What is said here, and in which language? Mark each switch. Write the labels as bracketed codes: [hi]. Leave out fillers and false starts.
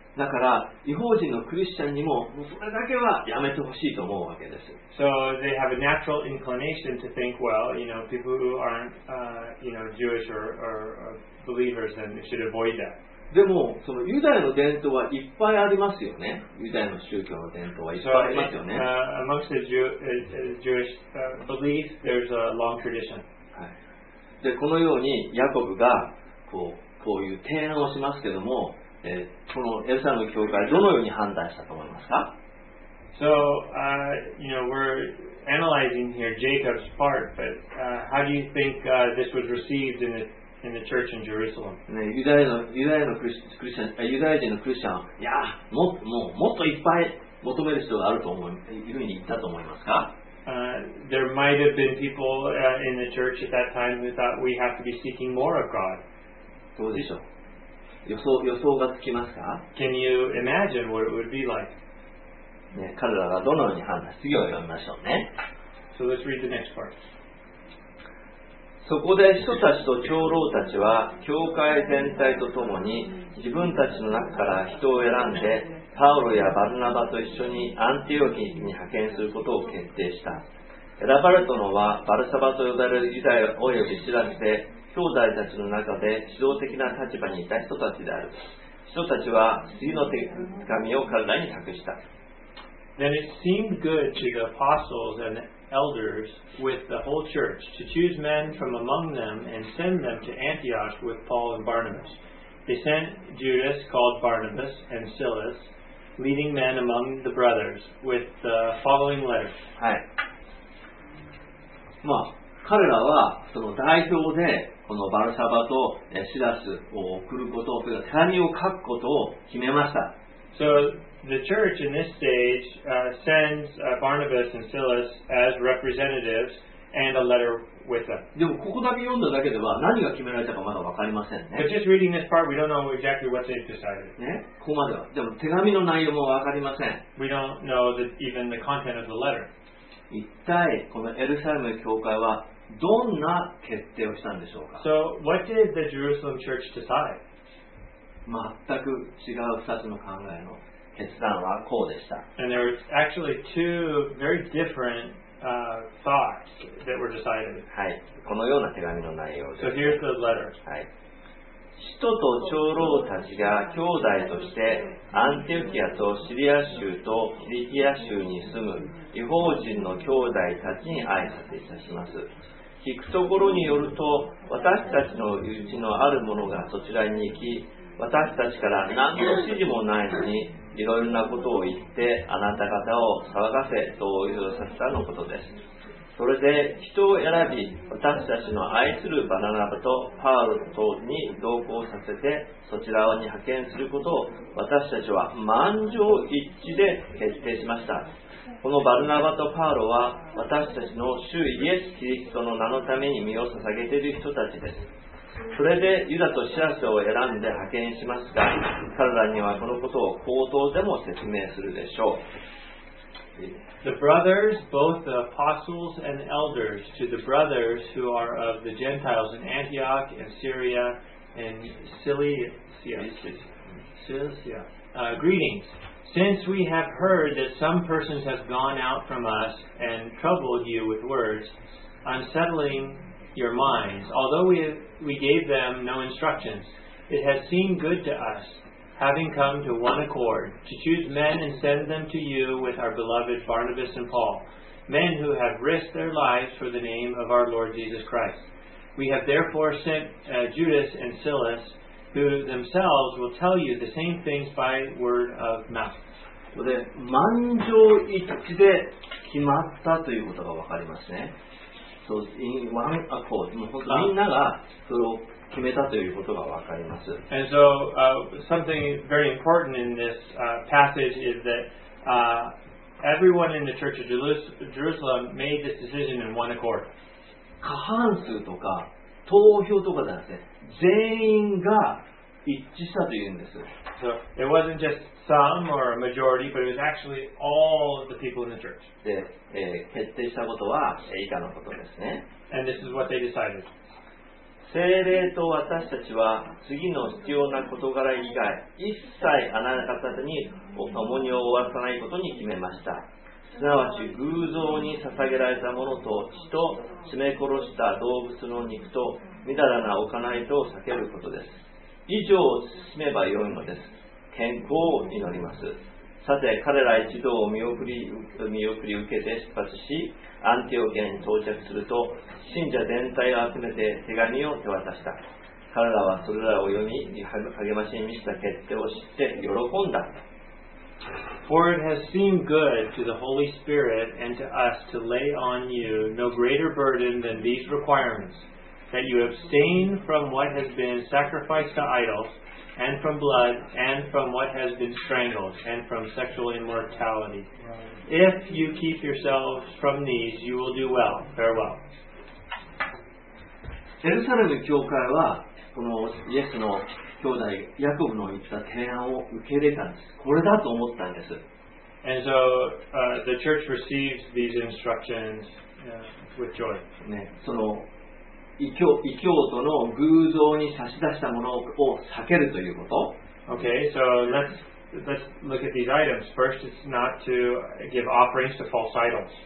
[ja] だから異邦人のクリスチャンにもそれだけはやめてほしいと思うわけです。 [en] So they have a natural inclination to think, well, you know, people who aren't, you know, Jewish or believers, then they should avoid that. [ja] でもそのユダヤの伝統はいっぱいありますよね。ユダヤの宗教の伝統はいっぱいありますよね。 [en] Amongst the Jewish beliefs, there's a long tradition. [ja] はい。で、このようにヤコブがこういう提案をしますけども、このエルサレム教会どのように判断したと思いますか？ [en] So, you know, we're analyzing here Jacob's part, but how do you think this was received in the church in Jerusalem. [ja] ね、ユダヤのクリスチャン、ユダヤ人のクリスチャン、いや、もっといっぱい求める人があると思う、いるに言ったと思いますか？ [en] There might have been people in the church at that time who thought we have to be seeking more of God. [ja] どうでしょう？予想がつきますか？ [en] Can you imagine what it would be like? [ja] ね、彼らがどのように判断するか、次を読みましょうね。 [en] So let's read the next part. [ja] そこで人たちと長老たちは教会全体とともに自分たちの中から人を選んでパウロやバルナバと一緒にアンティオキに派遣することを決定した。選ばれたのはバルサバと呼ばれるユダヤおよびシラスで兄弟たちの中で指導的な立場にいた人たちである。人たちは次の手紙を彼らに託した。 [en] Then it seemed good to the apostles and elders with the whole church to choose men from among them and send them to Antioch with Paul and Barnabas. They sent Judas called Barnabas and Silas, leading men among the brothers with the following letter. [ja] はい。まあ、彼らはその代表でこのバルサバとシラスを送ることを、手紙を書くことを決めました。 [en] So the church in this stage sends Barnabas and Silas as representatives and a letter with them. [ja] でもここだけ読んだだけでは何が決められたかまだ分かりませんね。 [en] But just reading this part, we don't know exactly what they've decided. [ja] ね、ここまでは。でも手紙の内容も分かりません。 [en] We don't know even the content of the letter. [ja] 一体このエルサレム教会はどんな決定をしたんでしょうか。 [en] So what did the Jerusalem church decide? [ja] 全く違う二つの考えの決断はこうでした。 [en] And there were actually two very different thoughts that were decided. [ja] はい。このような手紙の内容です。 [en] So here's the letter. [ja] はい。使徒と長老たちが兄弟としてアンティオキアとシリア州とキリキア州に住む異邦人の兄弟たちに挨拶いたします。聞くところによると私たちのうちのある者がそちらに行き私たちから何の指示もないのにいろいろなことを言ってあなた方を騒がせと言わさせたのことです。それで人を選び私たちの愛するバナナバとパウロとに同行させてそちらに派遣することを私たちは満場一致で決定しました。このバルナバとパウロは私たちの主イエス・キリストの名のために身を捧げている人たちです。それでユダとシラスを選んで派遣しますが、彼らにはこのことを口頭でも説明するでしょう。 [en] The brothers, both the apostles and elders, to the brothers who are of the Gentiles in Antioch and Syria and Cilicia, greetings. Since we have heard that some persons have gone out from us and troubled you with words, unsettling your minds, although we gave them no instructions, it has seemed good to us, having come to one accord, to choose men and send them to you with our beloved Barnabas and Paul, men who have risked their lives for the name of our Lord Jesus Christ. We have therefore sent Judas and Silas, who themselves will tell you the same things by word of mouth. [ja] So, 満場一致で決まったということがわかりますね。 So, [en] in one accord, [ja] みんながそれを決めたということがわかります。 [en] And so, something very important in this passage is that everyone in the Church of Jerusalem made this decision in one accord. [ja] 過半数とか投票とかじゃなくて、全員が一致したというんです。 [en] So it wasn't just some or a majority, but it was actually all of the people in the church. [ja] で、決定したことは以下のことですね。 [en] And this is what they decided. [ja] 聖霊と私たちは次の必要な事柄以外、一切あなた方にお共に終わらないことに決めました。すなわち偶像に捧げられたものと血と締め殺した動物の肉とみだらな行いと避けることです。以上を進めばよいのです。健康を祈ります。さて彼ら一同を見送り受けて出発しアンティオキアに到着すると信者全体を集めて手紙を手渡した。彼らはそれらを読み励ましに満ちた決定を知って喜んだ。 [en] For it has seemed good to the Holy Spirit and to us to lay on you no greater burden than these requirements, that you abstain from what has been sacrificed to idols, and from blood, and from what has been strangled, and from sexual immorality. If you keep yourselves from these, you will do well. Farewell. [ja] エルサレム教会はこのイエスの兄弟ヤコブの言った提案を受け入れたんです。これだと思ったんです。 [en] And so, the church receives these instructions, with joy. [ja] ね、その異教徒の偶像に差し出したものを避けるということ。 [en] Okay, so let's look at these items. First, it's not to give offerings to false idols.